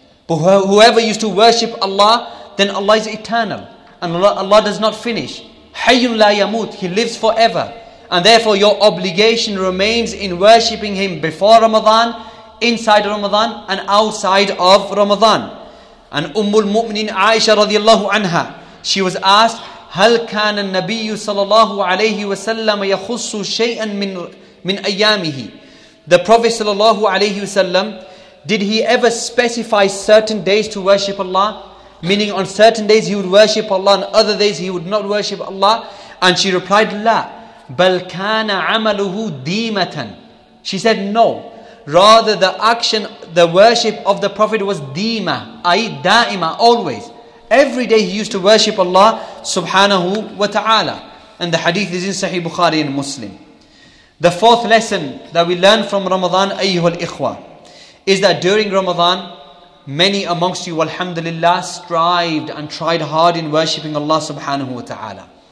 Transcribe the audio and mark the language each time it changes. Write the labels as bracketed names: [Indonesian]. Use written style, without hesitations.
[English] But whoever used to worship Allah, then Allah is eternal. And Allah does not finish. [Arabic] Hayyun la yamut, [English] he lives forever. And therefore your obligation remains in worshipping him before Ramadan, inside Ramadan and outside of Ramadan. And Ummul Mu'minin Aisha radiallahu anha, she was asked, [Arabic] هل كان النبي صلى الله عليه وسلم يخص شيئا من أيامه. [English] The Prophet صلى الله عليه وسلم, did he ever specify certain days to worship Allah? Meaning on certain days he would worship Allah and other days he would not worship Allah. And she replied, [Arabic] لا بل كان عمله ديمة. [English] She said, no. Rather the action, the worship of the Prophet was dima, i.e. daima, always. Every day he used to worship Allah subhanahu wa ta'ala. And the hadith is in Sahih Bukhari and Muslim. The fourth lesson that we learn from Ramadan, ayyuhal ikhwa, is that during Ramadan, many amongst you, alhamdulillah, strived and tried hard in worshipping Allah subhanahu wa ta'ala.